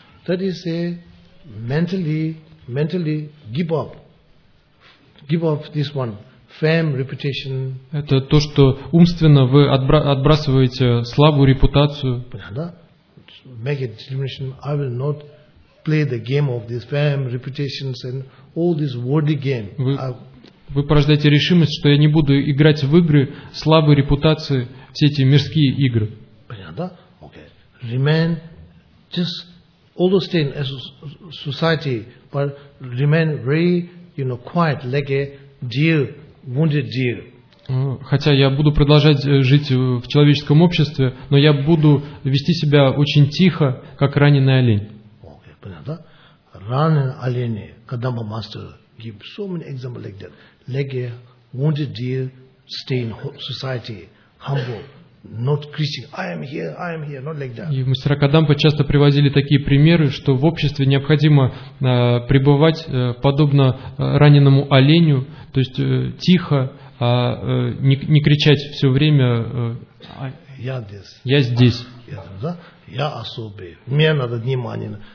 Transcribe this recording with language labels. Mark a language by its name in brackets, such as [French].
[English] That is a mentally give up this one, fame, reputation. [Russian] Это то, что умственно вы отбрасываете слабую репутацию. Понятно? [English] Make a determination, I will not play the game of this fame, reputations and all this worldly game. [Russian] Вы порождаете решимость, что я не буду играть в игры слабой репутации, все эти мирские игры. Понятно? [English] Okay. Remain, just although stay in a society, but remain very, you know, quiet, like a deer, wounded deer. [Russian] Хотя я буду продолжать жить в человеческом обществе, но я буду вести себя очень тихо, как раненый олень. [English] Okay. [Russian] Понятно? Раненый олень, Кадамба мастер, [English] give so many examples like that. Like a wounded deer, stay in society, humble, not Christian. I am here, not like that. [Russian] И мастера Кадампа часто приводили такие примеры, что в обществе необходимо пребывать подобно раненому оленю, то есть тихо, а не кричать все время. Я здесь. Я здесь. Я особый. Мне надо внимание.